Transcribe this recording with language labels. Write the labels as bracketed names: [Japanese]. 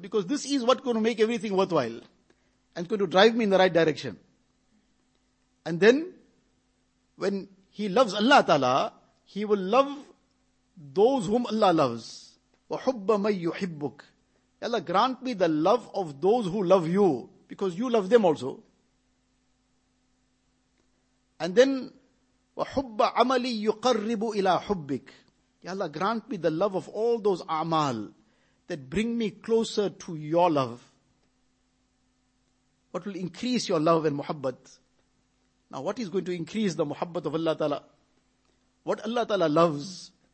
[English] Because this is what's going to make everything worthwhile. And it's going to drive me in the right direction. And then, when he loves Allah Ta'ala, he will love those whom Allah loves. [Arabic] وَحُبَّ مَن يُحِبُّكْ. [English] Ya Allah, grant me the love of those who love you. Because you love them also. And then, [Arabic] وَحُبَّ عَمَلِي يُقَرِّبُ إِلَىٰ حُبِّكَ. [English] Ya Allah, grant me the love of all those a'mal that bring me closer to your love. What will increase your love and muhabbat? Now, what is going to increase the muhabbat of Allah Ta'ala? What Allah Ta'ala loves?